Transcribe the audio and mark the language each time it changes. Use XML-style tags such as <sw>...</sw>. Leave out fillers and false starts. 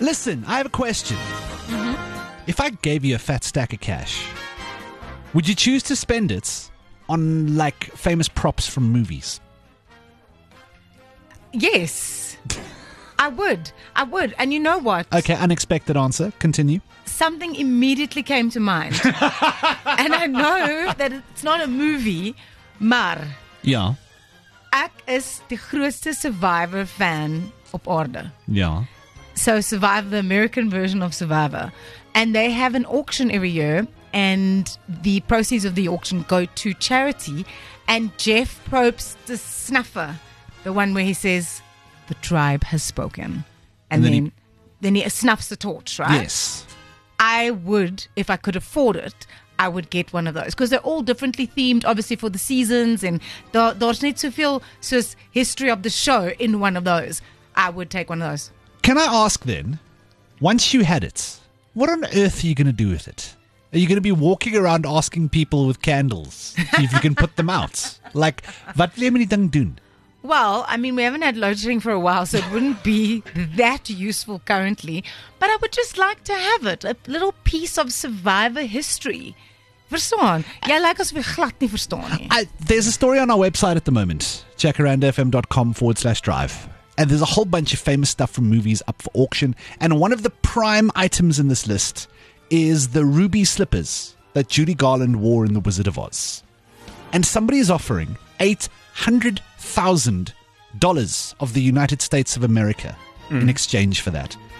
<en>Listen, I have a question. Mm-hmm. If I gave you a fat stack of cash, would you choose to spend it on, like, famous props from movies? Yes. I would. And you know what? Okay, unexpected answer. Continue. Something immediately came to mind. And I know that it's not a movie,</en> <af>maar... Ja. Ek is die grootste Survivor fan op aarde. Ja.</af> <en>So Survivor, the American version of Survivor. And they have an auction every year. And the proceeds of the auction go to charity. And Jeff Probst, the snuffer, the one where he says... The tribe has spoken. And then he snuffs the torch, right? Yes. I would, if I could afford it, I would get one of those. Because they're all differently themed, obviously, for the seasons. And there's need to feel Swiss history of the show in one of those. I would take one of those. Can I ask then, once you had it, what on earth are you going to do with it? Are you going to be walking around asking people with candles if you can put them out?</en> <af>Like, wat wil jy met die ding doen?</af> <en>Well, I mean, we haven't had load shedding for a while, so it wouldn't be that useful currently. But I would just like to have it, a little piece of Survivor history.</en> <af>Verstaan? Jy lyk asof jy glad nie verstaan nie.</af> <en>There's a story on our website at the moment, jacarandafm.com/drive. And there's a whole bunch of famous stuff from movies up for auction. And one of the prime items in this list is the ruby slippers that Judy Garland wore in The Wizard of Oz. And somebody is offering $800,000 of the United States of America in exchange for that.</en>